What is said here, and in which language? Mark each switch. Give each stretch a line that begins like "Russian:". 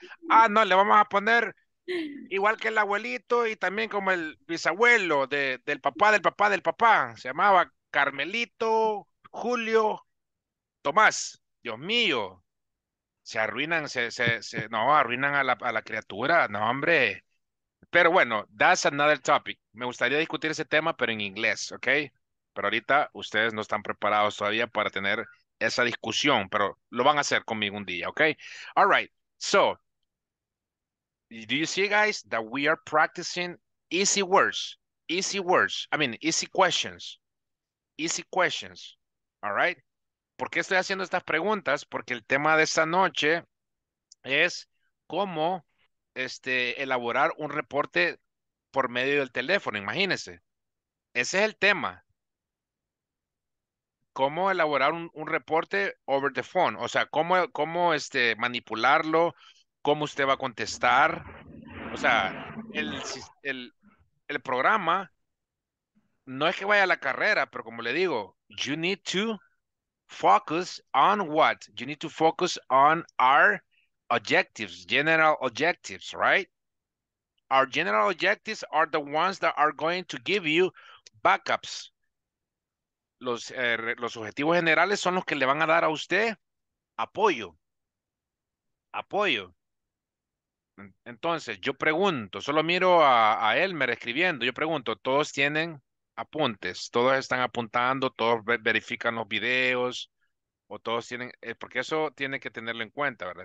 Spanish: Ah, no, le vamos a poner igual que el abuelito y también como el bisabuelo del papá, se llamaba Carmelito, Julio, Tomás, Dios mío, se arruinan, arruinan a la criatura, no, hombre. Pero bueno,
English: that's another topic.
Spanish: Me gustaría discutir ese tema, pero en inglés, ¿ok? Pero ahorita ustedes no están preparados todavía para tener esa discusión, pero lo van a hacer conmigo un día, ¿ok?
English: All right, so, do you see, guys, that we are practicing easy questions, all right?
Spanish: ¿Por qué estoy haciendo estas preguntas? Porque el tema de esta noche es cómo elaborar un reporte por medio del teléfono, imagínense. Ese es el tema. ¿Cómo elaborar un reporte
English: over the phone?
Spanish: O sea, ¿cómo manipularlo? ¿Cómo usted va a contestar? O sea, el programa no es que vaya a la carrera, pero como le digo,
English: you need to focus on what? You need to focus on our objectives, general objectives, right? Our general objectives are the ones that are going to give you backups.
Spanish: Los objetivos generales son los que le van a dar a usted apoyo. Apoyo. Entonces, yo pregunto, solo miro a Elmer escribiendo, yo pregunto, todos tienen apuntes, todos están apuntando, todos verifican los videos, o todos tienen, porque eso tiene que tenerlo en cuenta, ¿verdad?